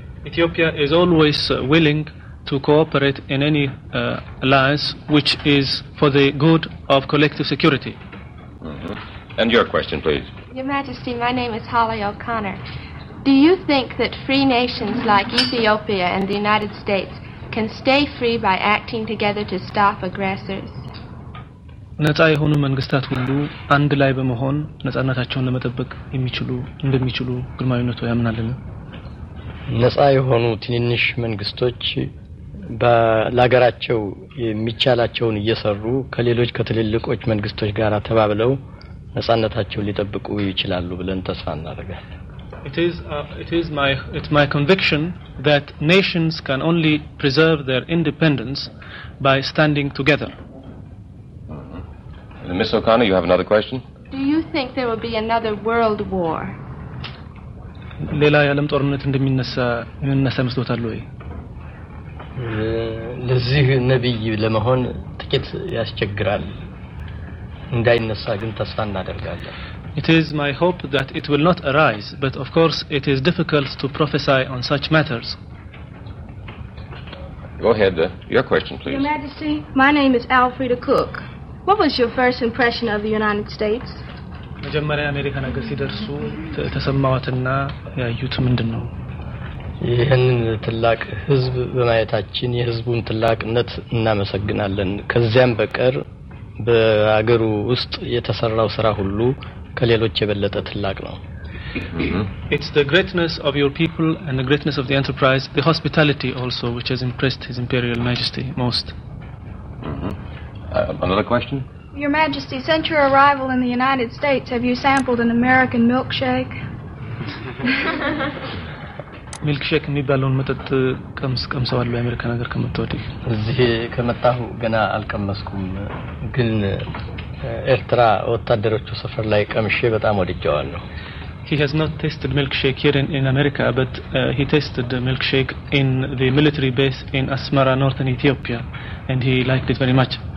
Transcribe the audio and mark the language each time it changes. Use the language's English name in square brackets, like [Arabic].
[English] Ethiopia is always willing to cooperate in any alliance which is for the good of collective security. Mm-hmm. And your question, please. Your Majesty, my name is Holly O'Connor. Do you think that free nations like Ethiopia and the United States can stay free by acting together to stop aggressors? [Amharic] ነጻ የሆኑ መንግስታት ሁሉ አንድ ላይ በመሆን ነጻነታቸውን ለመጠበቅ የሚችሉ እንደሚችሉ ግርማዊነቱ ያምናልን? ነጻ የሆኑ ትንንሽ መንግስቶች በላገራቸው የሚቻላቸውን እየሰሩ ከሌሎች ከተለልቆች መንግስቶች ጋር ተባብለው ነጻነታቸውን ሊጠብቁ ይችላሉ ብለን ተስፋ እናደርጋለን። [English] It's my conviction that nations can only preserve their independence by standing together. Miss O'Connor, you have another question? Do you think there will be another world war? [Amharic] ሌላ የዓለም ጦርነት እንደሚነሳ መስሎታል ወይ? ለዚህ ነብይ ለመሆን ጥቂት ያስቸግራል። እንዳይነሳ ግን ተስፋ እናደርጋለን። [English] It is my hope that it will not arise, but of course it is difficult to prophesy on such matters. Go ahead, your question please. Your Majesty, my name is Alfreda Cook. What was your first impression of the United States? [Amharic] መጀመሪያ አሜሪካ ነገር ሲደርሱ ተሰማውትና ያዩት ምንድነው? ይሄን ትላቅ ህዝብ በማየታችን የህዝቡን ትላቅነት እናመሰግናለን። ከዚያም በቀር በአገሩ ውስጥ የተሰራው ሥራ ሁሉ ከሌሎች የበለጠ ትላቅ ነው። [English] It's the greatness of your people and the greatness of the enterprise, the hospitality also, which has impressed His Imperial Majesty most. Another question? Your Majesty, since your arrival in the United States, have you sampled an American milkshake? [Amharic] ሚልክሼክ የሚባለውን መጠጥ ቀምሰዋል በአሜሪካ ነገር ከመጣሁ እዚህ ከመጣሁ ገና አልቀመስኩም ግን ኤርትራ ወታደሮቹ ሰፈር ላይ ቀምሼ በጣም ወድጃዋለሁ ነው [English] He has not tasted milkshake here in America but he tasted the milkshake in the military base in Asmara northern Ethiopia and he liked it very much